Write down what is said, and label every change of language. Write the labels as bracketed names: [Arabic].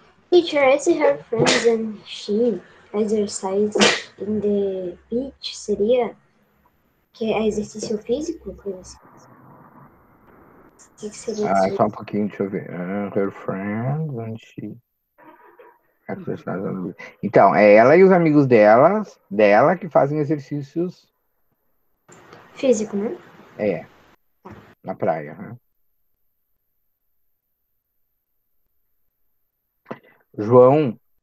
[English] Teacher, I see her friends and she exercise in the beach. [Portuguese] Seria que é exercício físico? Que seria Ah, isso? só um pouquinho, deixa eu ver. [English] Her friends and she exercise on the beach. [Portuguese] Então, é ela e os amigos dela que fazem exercícios. Físico, né? É. Na praia, né? João.